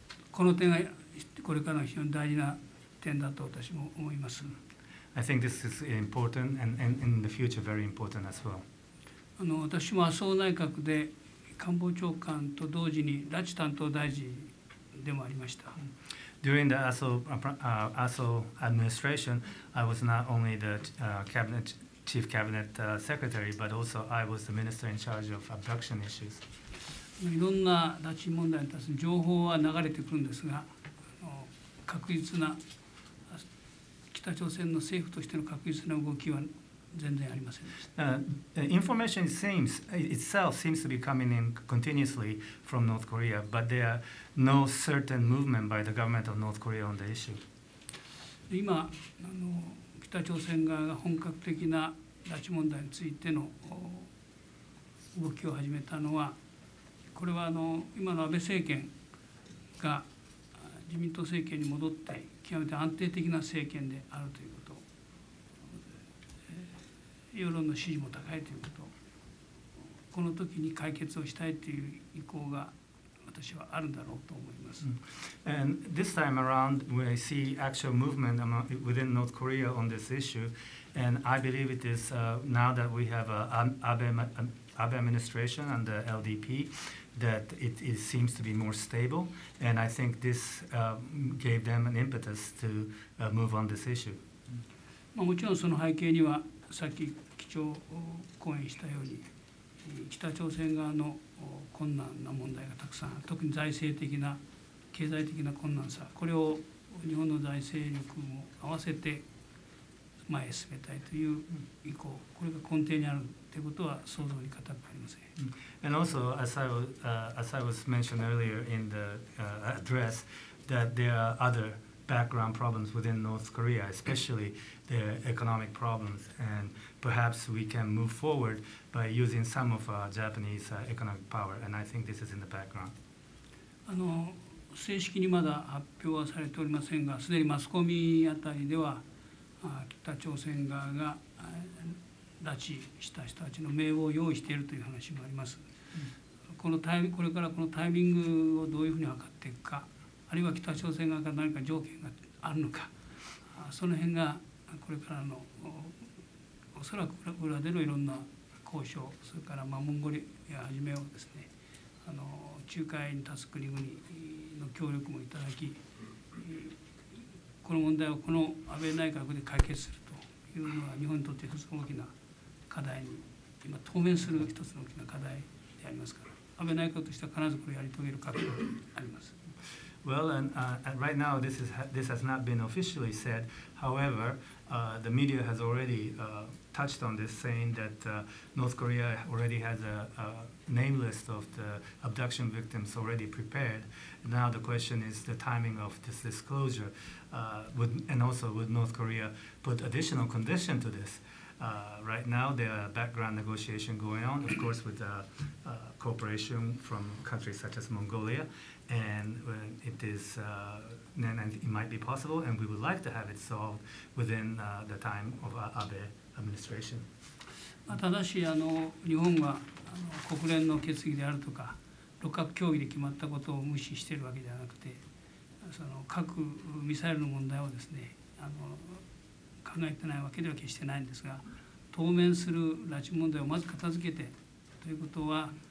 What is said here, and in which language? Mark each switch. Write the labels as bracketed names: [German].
[Japanese] この点がこれからの非常に大事な点だと私も思います。 [English] I think this is important and in the future very important as well. [Japanese] 私も麻生内閣で官房長官と同時に拉致担当大臣でもありました。 [English] During the ASO administration, I was not only the chief cabinet secretary, but also I was the minister in charge of abduction issues. [Japanese] いろんな拉致問題に対する情報は流れてくるんですが、確実な北朝鮮の政府としての確実な動きは全然ありません。 [English] Information seems itself seems to be coming in continuously from North Korea, but there are no certain movement by the government of North Korea on the issue. [Japanese] 今北朝鮮側が本格的な拉致問題についての動きを始めたのは、これは今の安倍政権が自民党政権に戻って極めて安定的な政権であるということ。世論の支持も高いということ、この時に解決をしたいという意向が私はあるんだろうと思います。 [English] And this time around, we see actual movement within North Korea on this issue, and I believe it is now that we have an Abe administration and the LDP that it seems to be more stable, and I think this gave them an impetus to move on this issue. [Japanese] まあもちろんその背景には。さっき基調を講演したように北朝鮮側の困難な問題がたくさん、特に財政的な経済的な困難さ、これを日本の財政力も合わせて前へ進めたいという意向、これが根底にあるということは想像に難くありません。 [English] And also, as I was mentioned earlier in the address, that there are other background problems within North Korea, especially their economic problems, and perhaps we can move forward by using some of Japanese economic power, and I think this is in the background. [Japanese] 正式にまだ発表はされておりませんが、すでにマスコミあたりでは、北朝鮮側が拉致した人たちの名簿を用意しているという話もあります。このタイミング、これからこのタイミングをどういうふうに測っていくか、あるいは北朝鮮側が何か条件があるのか、その辺がこれからの おそらく裏でのいろんな交渉、それからまあモンゴリアはじめをですね、仲介に立つ国々の協力もいただき、この問題をこの安倍内閣で解決するというのは日本にとって一つ大きな課題に、今当面する一つの大きな課題でありますから、安倍内閣としては必ずこれをやり遂げる覚悟があります。 [English] Well, and right now this has not been officially said. However, the media has already touched on this, saying that North Korea already has a name list of the abduction victims already prepared. Now the question is the timing of this disclosure. Would North Korea put additional condition to this? Right now there are background negotiation going on, of course, with cooperation from countries such as Mongolia. And it is, and it might be possible, and we would like to have it solved within the time of our Abe administration. [Japanese] ただし、日本は国連の決議であるとか、六角協議で決まったことを無視しているわけではなくて、その核ミサイルの問題をですね、考えてないわけでは決してないんですが、当面する拉致問題をまず片付けてということは、